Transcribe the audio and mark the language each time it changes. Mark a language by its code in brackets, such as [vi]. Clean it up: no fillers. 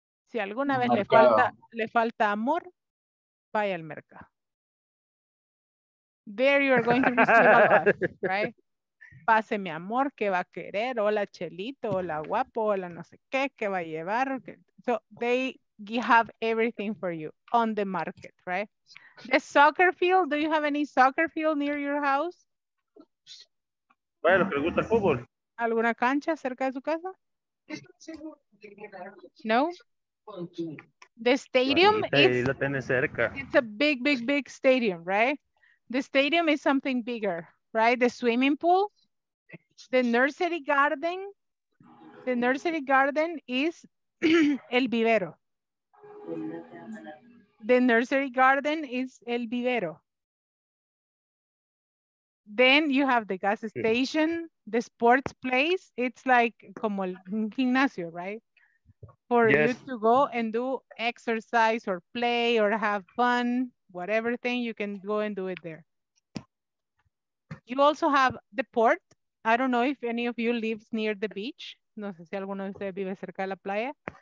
[es] Si alguna vez le falta amor, vaya al mercado. [en] There you are going to receive a lot, right? [es] Pase mi amor, ¿qué va a querer? Hola, Chelito, hola, guapo, hola, no sé qué, ¿qué va a llevar? [en] So they have everything for you on the market, right? The soccer field, do you have any soccer field near your house? [es] Bueno, los que les gusta el fútbol. ¿Alguna cancha cerca de su casa? [en] No. The stadium [es] lo tiene cerca. [en] It's a big, big, big stadium, right? The stadium is something bigger, right? The swimming pool, the nursery garden. The nursery garden is el vivero. The nursery garden is el vivero. Then you have the gas station, the sports place. It's like [es] como el gimnasio, [en] right? For yes. You to go and do exercise or play or have fun, whatever thing, you can go and do it there. You also have the port. I don't know if any of you lives near the beach. [es] No sé si alguno de ustedes vive cerca de la playa.